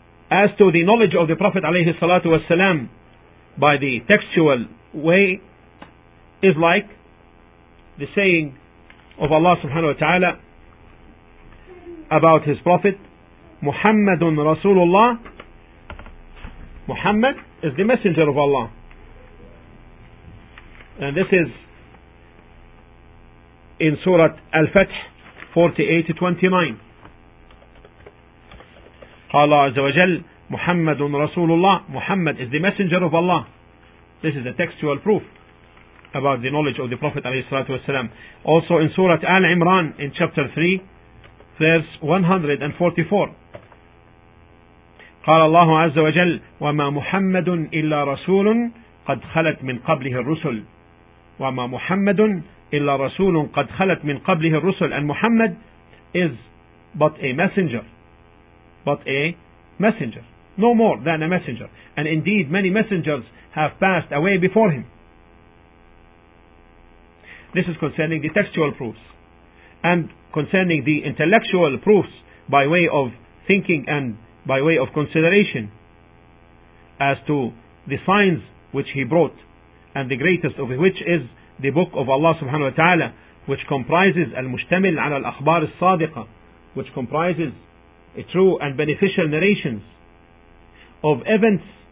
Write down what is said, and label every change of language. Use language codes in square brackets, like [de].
[en] As to the knowledge of the Prophet alayhi salatu wasalam by the textual way, is like the saying of Allah subhanahu wa ta'ala about his Prophet, [ar] Muhammadun Rasulullah. [en] Muhammad is the messenger of Allah. And this is in Surah Al-Fath 48-29. [ar] قال عز وجل محمد رسول الله. [en] Muhammad is the messenger of Allah. This is a textual proof about the knowledge of the Prophet [ar] عليه الصلاة والسلام. [en] Also in Surah Al-Imran in chapter 3 verse 144, [ar] قال الله عز وجل: وما محمد إلا رسول قد خلت من قبله الرسل. وما محمد إلا رسول قد خلت من قبله الرسل. أن محمد [en] is but a messenger, but a messenger, no more than a messenger. And indeed many messengers have passed away before him. This is concerning the textual proofs. And concerning the intellectual proofs by way of thinking and by way of consideration as to the signs which he brought, and the greatest of which is the book of Allah subhanahu wa ta'ala, which comprises [ar] al-mushtamil ala al-akhbar al-sadiqa, [en] which comprises a true and beneficial narrations of events